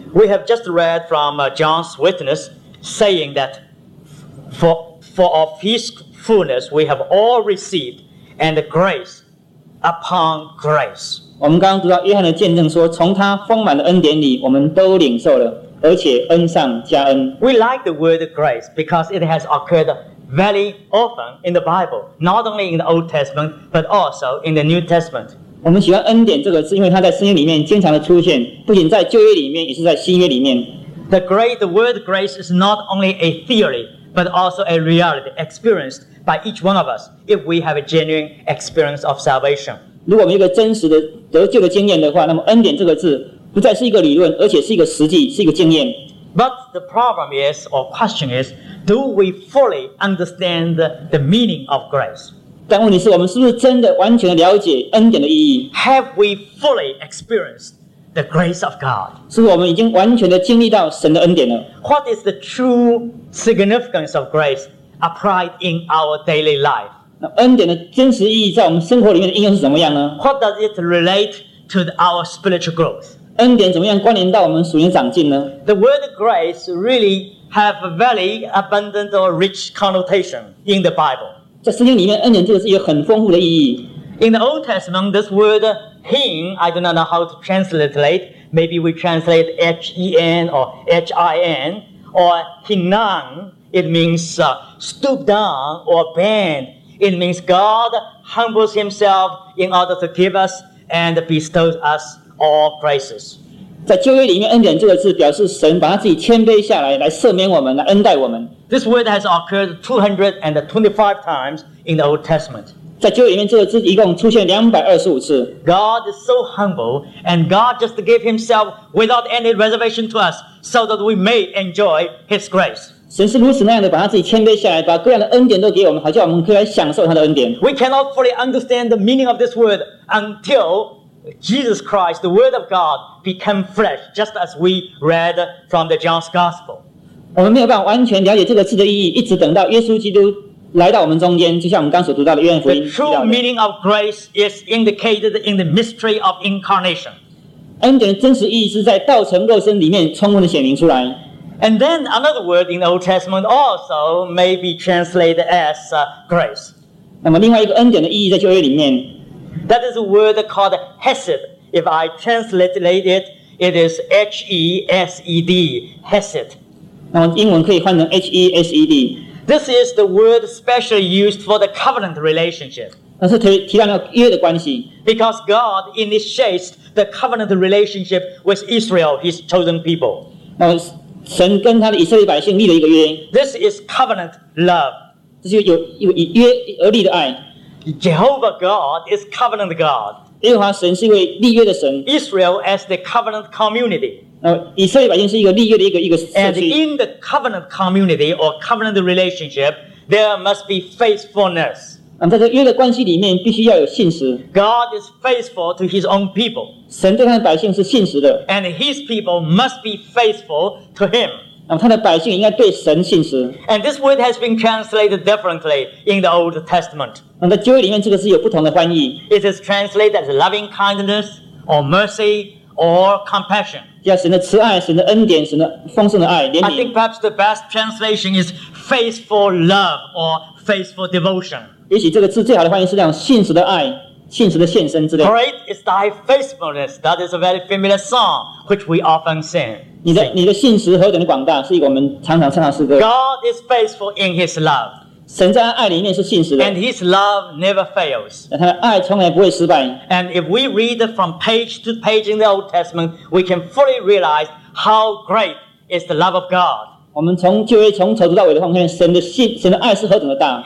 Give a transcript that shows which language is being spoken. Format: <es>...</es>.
<en>We have just read from John's witness saying that for of his fullness we have all received and grace upon grace.</en> <zh>我们刚刚读到约翰的见证说，从他丰满的恩典里，我们都领受了，而且恩上加恩。</zh> <en>We like the word grace because it has occurred. Very often in the Bible, not only in the Old Testament, but also in the New Testament.</en> <zh>我们喜欢恩典这个字，因为它在圣经里面经常的出现，不仅在旧约里面，也是在新约里面。</zh> <en>The word grace is not only a theory, but also a reality experienced by each one of us if we have a genuine experience of salvation.</en> <zh>如果我们有一个真实的得救的经验的话，那么恩典这个字不再是一个理论，而且是一个实际，是一个经验。</zh> <en>But the problem is, or question is,Do we fully understand the meaning of grace?</en> <zh>但问题是我们是不是真的完全了解恩典的意义？</zh> <en>Have we fully experienced the grace of God?</en> <zh>是我们已经完全的经历到神的恩典了？</zh> <en>What is the true significance of grace applied in our daily life?</en> <zh>那恩典的真实意义在我们生活里面的应用是怎么样呢？</zh> <en>What does it relate to our spiritual growth?</en> <zh>恩典怎么样关联到我们属灵长进呢？</zh> <en>The word grace reallyhave a very abundant or rich connotation in the Bible.</en> <zh>在圣经里面，恩典这个字有很丰富的意义。</zh> <en>In the Old Testament, this word "hin," I do not know how to translate. Maybe we translate "hen" or "hin" or "hinan." It means stoop down or bend. It means God humbles Himself in order to give us and bestow us all graces.</en> <zh>在旧约里面，恩典这个字表示神把他自己谦卑下来，来赦免我们，来恩待我们。</zh> <en>This word has occurred 225 times in the Old Testament.</en> <zh>在旧约里面，这个字一共出现225次。</zh> <en>God is so humble, and God just gave Himself without any reservation to us, so that we may enjoy His grace.</en> <zh>神是如此那样的把他自己谦卑下来，把各样的恩典都给我们，好叫我们可以来享受他的恩典。</zh> <en>We cannot fully understand the meaning of this word until. Jesus Christ, the Word of God, became flesh, just as we read from the John's Gospel.</en> <zh>我们没有办法完全了解这个字的意义，一直等到耶稣基督来到我们中间，就像我们刚所读到的约翰福音。</zh> <en>The true meaning of grace is indicated in the mystery of incarnation.</en> <zh>恩典的真实意义是在道成肉身里面充分的显明出来。</zh> <en>And then another word in the Old Testament also may be translated as grace.</en> <zh>那么另外一个恩典的意义在旧约里面。</zh> <en>That is a word called hesed. If I translate it, it is H-E-S-E-D, hesed.</en> <zh>那么英文可以换成 H-E-S-E-D.</zh> <en>This is the word specially used for the covenant relationship.</en> <zh>那是提到那个约的关系。</zh> <en>Because God initiates the covenant relationship with Israel, His chosen people.</en> <zh>那么神跟他的以色列百姓立了一个约。</zh> <en>This is covenant love.</en> <zh>这是有以约而立的爱。</zh> <en>Jehovah God is covenant God.</en> <zh>耶和华神是一位立约的神。</zh> <en>Israel as the covenant community.</en> <zh>以色列百姓是一个立约的一个社区。</zh> <en>And in the covenant community or covenant relationship, there must be faithfulness.</en> <zh>在这约的关系里面必须要有信实。</zh> <en>God is faithful to his own people.</en> <zh>神对他的百姓是信实的。</zh> <en>And his people must be faithful to him.</en> <zh>他的百姓应该对神信实。</zh> <en>And this word has been translated differently in the Old Testament.</en> <zh>在旧约里面，这个是有不同的翻译。</zh> <en>It is translated as loving kindness or mercy or compassion.</en> <zh>叫神的慈爱、神的恩典、神的丰盛的爱、怜悯。</zh> <en>I think perhaps the best translation is faithful love or faithful devotion.</en> <zh>也许这个字最好的翻译是这样：信实的爱。信实的献身之类。</zh> <en>Great is thy faithfulness. That is a very familiar song which we often sing.</en> <zh>你的信实何等的广大，是一个我们常常唱的诗歌。</zh> <en>God is faithful in His love.</en> <zh>神在爱里面是信实的。</zh> <en>And His love never fails.</en> <zh>他的爱从来不会失败。</zh> <en>And if we read from page to page in the Old Testament, we can fully realize how great is the love of God.</en> <zh>我们从旧约从头读到尾的话，看神的信，神的爱是何等的大。</zh>